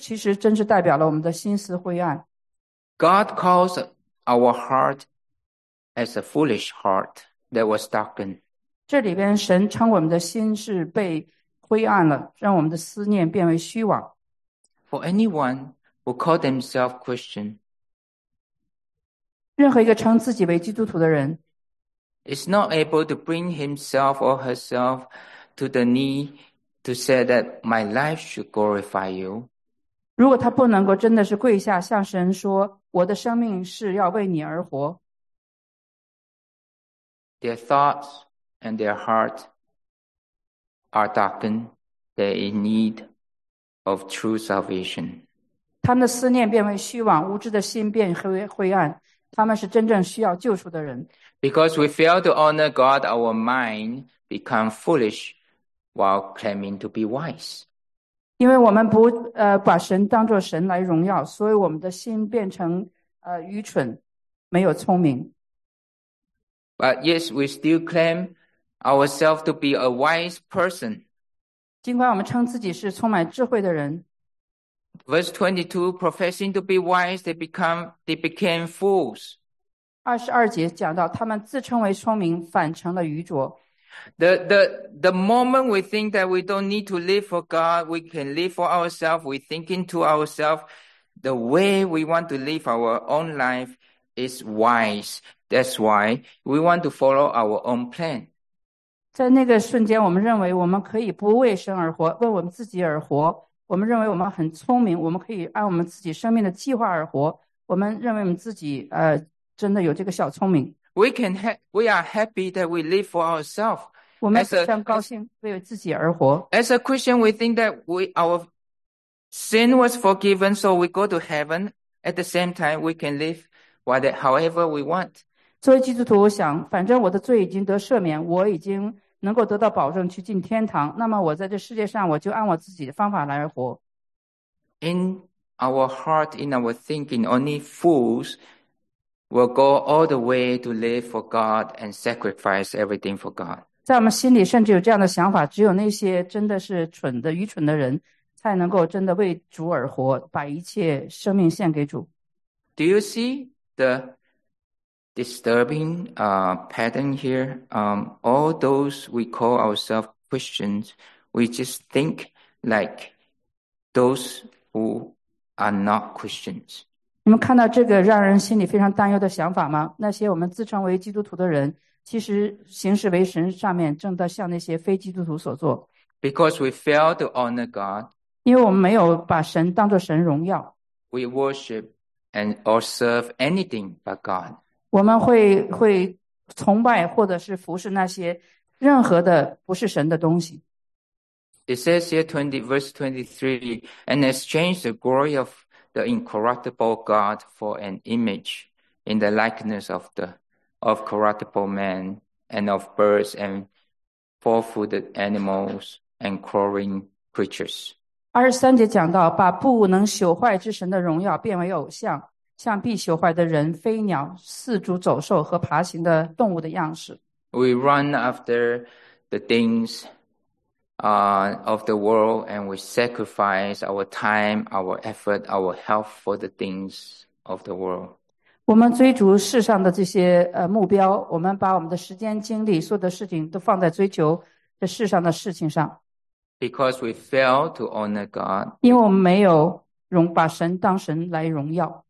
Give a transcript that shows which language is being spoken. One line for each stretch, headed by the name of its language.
Chinese: 对于我们这个所有的这些基督徒认为我们可以不把神当神,然后不以荣耀神的方式而活,这个其实真是代表了我们的心思灰暗。
English: God calls our heart as a foolish heart that was darkened.
Chinese: 这里边神称我们的心是被灰暗了, 让我们的思念变为虚妄。
English: For anyone who calls themselves Christian,
Chinese: 任何一个称自己为基督徒的人,
English: is not able to bring himself or herself to the knee to say that my life should glorify you.
Chinese: 如果他不能够真的是跪下向神说, 我的生命是要为你而活。
English: their thoughts and their heart are darkened. They are in need of true salvation.
Chinese: 他们的思念变为虚妄，无知的心变为灰暗。他们是真正需要救赎的人。
English: Because we fail to honor God, our mind become foolish while claiming to be wise.
Chinese: 因为我们不把神当作神来荣耀，所以我们的心变成愚蠢，没有聪明。
English: But yes, we still claim ourselves to be a wise person.
Chinese: 尽管我们称自己是充满智慧的人。
English: Verse 22, professing to be wise, they became fools.
Chinese: 22节讲到他们自称为聪明反成了愚拙。
English: The moment we think that we don't need to live for God, we can live for ourselves, we're thinking to ourselves, the way we want to live our own life is wise. That's why we want to follow our own plan.
Chinese: 在那个瞬间我们认为我们可以不为神而活，为我们自己而活。我们认为我们很聪明，我们可以按我们自己生命的计划而活。我们认为我们自己真的有这个小聪明。
English: We are happy that we live for ourselves.
Chinese: 我们非常高兴为自己而活。
English: As a Christian, we think that our sin was forgiven, so we go to heaven. At the same time, we can live however we want.
Chinese: 作为基督徒，我想，反正我的罪已经得赦免，我已经能够得到保证去进天堂，那么我在这世界上，我就按我自己的方法来活。
English: In our heart, in our thinking, only fools will go all the way to live for God and sacrifice everything for God.
Chinese: 在我们心里甚至有这样的想法，只有那些真的是蠢的、愚蠢的人，才能够真的为主而活，把一切生命献给主。
English: Do you see the disturbing pattern here? All those we call ourselves Christians, we just think like those who are not Christians.
Chinese: 你们看到这个让人心里非常担忧的想法吗？那些我们自称为基督徒的人，其实行事为神上面正在向那些非基督徒所做。
English: Because we fail to honor God,
Chinese: 因为我们没有把神当作神荣耀。
English: We worship and or serve anything but God.
Chinese: 我们会崇拜或者是服侍那些任何的不是神的东西。
English: It says here verse 23, and exchange the glory of the incorruptible God for an image in the likeness of corruptible man and of birds and four-footed animals and crawling creatures.
Chinese: 23节讲到把不能朽坏之神的荣耀变为偶像。像必朽坏的人、飞鸟、四足走兽和爬行的动物的样式。
English: We run after the things of the world, and we sacrifice our time, our effort, our health for the things of the world.
Chinese: 我们追逐世上的这些目标，我们把我们的时间、精力、所有的事情都放在追求这世上的事情上。
English: Because we fail to honor God.
Chinese: 因为我们没有把神当神来荣耀。